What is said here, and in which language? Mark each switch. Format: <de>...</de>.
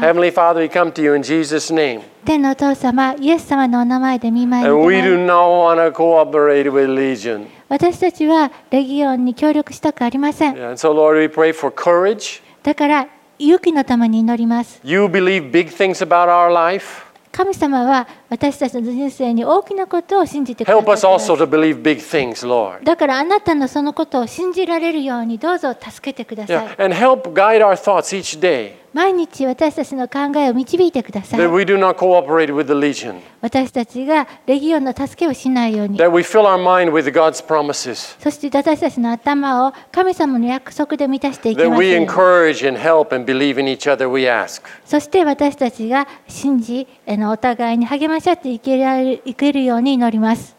<en>Heavenly Father, we come to you in Jesus' name.</en> <ja>天のお父様、イエス様のお名前で御前に。</ja> <en>And we do not want to cooperate with Legion.</en> <ja>私たちはレギオンに協力したくありません。</ja> <en>Yeah, and so Lord, we pray for courage.</en> <ja>だから勇気のために祈ります。</ja> <en>You believe big things about our life.</en> <ja>神様は私たちの人生に大きなことを信じてください</ja> <en>Help us also to believe big things, Lord.</en> <ja>だからあなたのそのことを信じられるようにどうぞ助けてください。</ja> <en>Yeah. And help guide our thoughts each day.</en> <ja>毎日私たちの考えを導いてください。</ja> <en>That we do not cooperate with the Legion.</en> <ja>私たちがレギオンの助けをしないように。</ja> <en>That we fill our mind with God's promises.</en> <ja>そして私たちの頭を神様の約束で満たしていきましょう。</ja> <en>That we encourage and help and believe in each other we ask.</en> <ja>そして私たちが信じ、お互いに励ましあっていけるように祈ります。</ja>